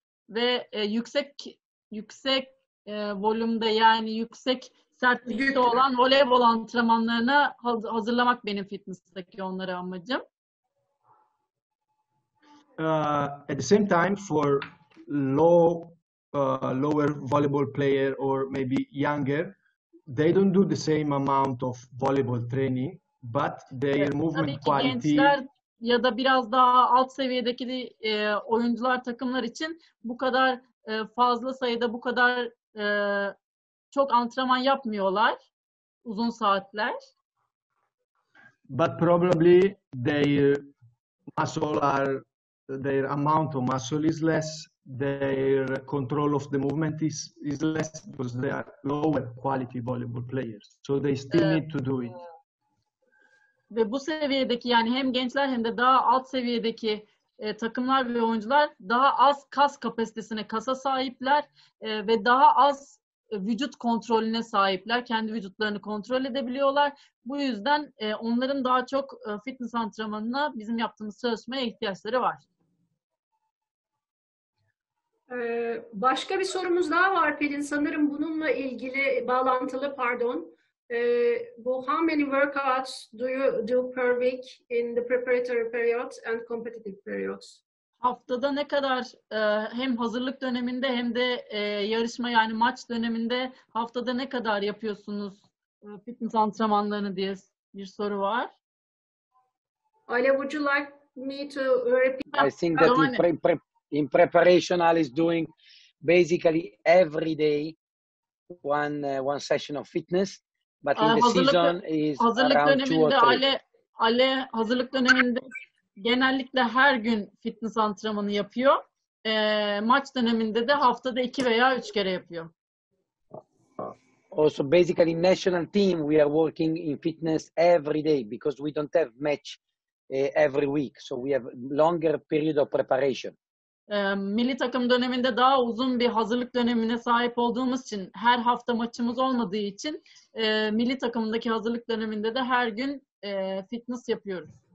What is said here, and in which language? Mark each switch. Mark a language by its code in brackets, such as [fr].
[tr] Ve yüksek volümde yani yüksek sertlikte olan voleybol antrenmanlarına hazırlamak benim fitness'taki onları amacım. [en] At the same time for low lower volleyball player or maybe younger, they don't do the same amount of volleyball training, but their movement quality. [tr] Gençler ya da biraz daha alt seviyedeki oyuncular takımlar için bu kadar fazla sayıda bu kadar çok antrenman yapmıyorlar, uzun saatler. [en] But probably their muscle are their amount of muscle is less. Their control of the movement is less because they are lower quality volleyball players. So they still need to do it. [tr] Ve bu seviyedeki yani hem gençler hem de daha alt seviyedeki takımlar ve oyuncular daha az kas kapasitesine, kasa sahipler ve daha az vücut kontrolüne sahipler. Kendi vücutlarını kontrol edebiliyorlar. Bu yüzden onların daha çok fitness antrenmanına, bizim yaptığımız çalışmaya ihtiyaçları var. Başka bir sorumuz daha var Pelin. Sanırım bununla ilgili bağlantılı, pardon. [en] Bu, how many workouts do you do per week in the preparatory period and competitive periods? [tr] Haftada ne kadar hem hazırlık döneminde hem de yarışma yani maç döneminde haftada ne kadar yapıyorsunuz fitness antrenmanlarını diye bir soru var. [en] Ali, would you like me to repeat? I think that in preparation, Ali is doing basically every day one session of fitness, but in the season is around two or three. [tr] Hazırlık döneminde Ali Ale hazırlık döneminde genellikle her gün fitness antrenmanı yapıyor. Maç döneminde de haftada 2 veya 3 kere yapıyor. [en] Also basically national team we are working in fitness every day because we don't have match every week. So we have longer period of preparation. [tr] Milli takım döneminde daha uzun bir hazırlık dönemine sahip olduğumuz için her hafta maçımız olmadığı için milli takımdaki hazırlık döneminde de her gün fitness yapıyoruz.